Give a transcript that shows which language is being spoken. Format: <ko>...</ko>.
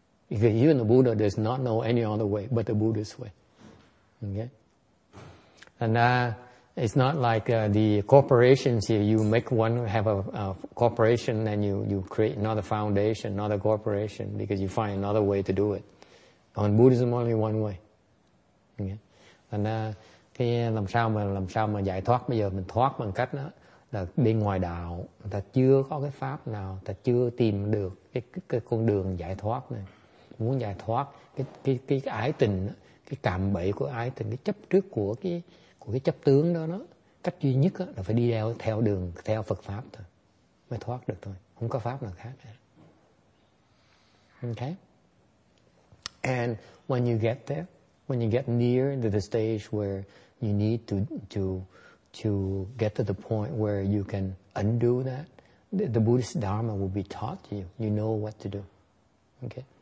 <en>Because even the Buddha does not know any other way but the Buddhist way. Okay? And it's not like the corporations here. You make one, have a corporation, then you create another foundation, another corporation, because you find another way to do it. On Buddhism, only one way. Okay?</en> <vi>And cái làm sao mà giải thoát bây giờ, mình thoát bằng cách đó là đi ngoài đạo. Ta chưa có cái pháp nào, ta chưa tìm được cái con đường giải thoát này. Muốn giải thoát cái ái tình, cái cạm bẫy của ái tình, cái chấp trước của cái chấp tướng đó, nó cách duy nhất là phải đi theo đường, theo Phật pháp thôi mới thoát được thôi, không có pháp nào khác.</vi> <en>Okay. And when you get there, when you get near to the stage where you need to get to the point where you can undo that, the Buddhist Dharma will be taught to you. You know what to do. Okay.</en>